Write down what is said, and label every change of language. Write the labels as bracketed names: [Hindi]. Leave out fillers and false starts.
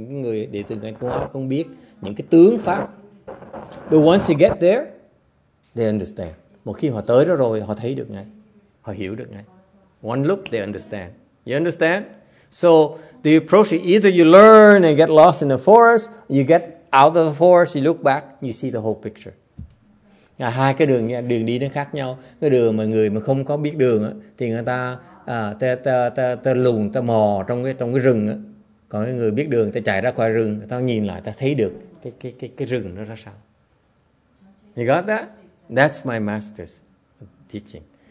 [Vietnamese] Người đệ tử ngài cũng không biết những cái tướng pháp. [English] But once you get there, they understand. [Vietnamese] Một khi họ tới đó rồi, họ thấy được ngay, họ hiểu được ngay. [English] One look, they understand. You understand? So the approach is either you learn and get lost in the forest, you get out of the forest, you look back, you see the whole picture. [Vietnamese] Hai cái đường đi nó khác nhau. Cái đường mà người mà không có biết đường á, thì người ta ta lùn, ta mò trong cái rừng á. Còn cái người biết đường, ta chạy ra khỏi rừng, ta nhìn lại, ta thấy được cái rừng nó ra sao. [English] You got that? That's my master's teaching.